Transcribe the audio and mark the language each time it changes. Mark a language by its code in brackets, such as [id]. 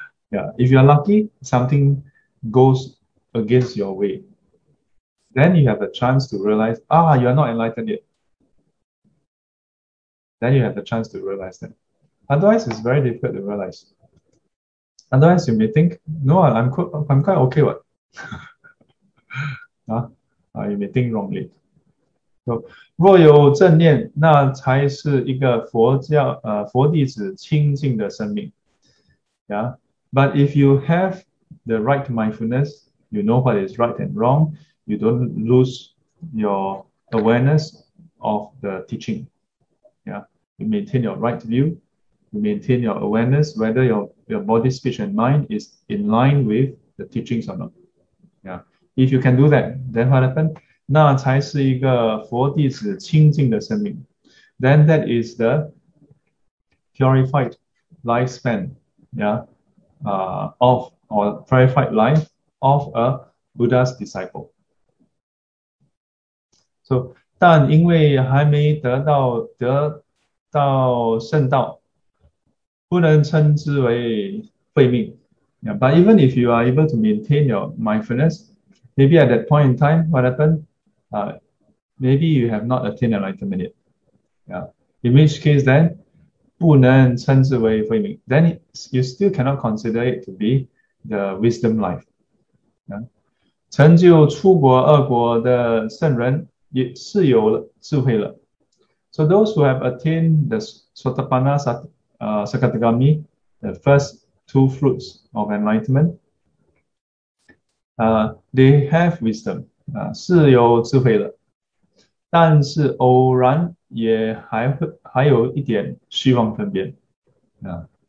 [en] Yeah. If you are lucky, something goes against your way, then you have a chance to realize, you are not enlightened yet. then you have the chance to realize them. Otherwise, it's very difficult to realize. Otherwise, you may think, no, I'm quite okay, what? You may think wrongly. [zh] So, 若有正念，那才是一个佛弟子清净的生命. [en] Yeah, but if you have the right mindfulness, you know what is right and wrong, you don't lose your awareness of the teaching. Yeah, you maintain your right view, you maintain your awareness whether your body, speech, and mind is in line with the teachings or not. Yeah, if you can do that, then what happened? [zh] 那才是一个佛弟子清净的生命. [en] Then that is the purified lifespan. Yeah, of or purified life of a Buddha's disciple. [zh] So, 但因为还没得到圣道, 不能称之为慧命. [en] Yeah, but even if you are able to maintain your mindfulness, maybe at that point in time, what happened? Maybe you have not attained enlightenment yet. Yeah. In which case then, [zh] 不能称之为慧命, [en] then you still cannot consider it to be the wisdom life. Yeah. [zh] 成就出果二果的圣人, 也是有了智慧了. [en] So those who have attained the Sotapanna Sakadagami, the first two fruits of enlightenment, they have wisdom, [zh] 是有智慧了. 但是偶然也还有一点虚妄分别, yeah.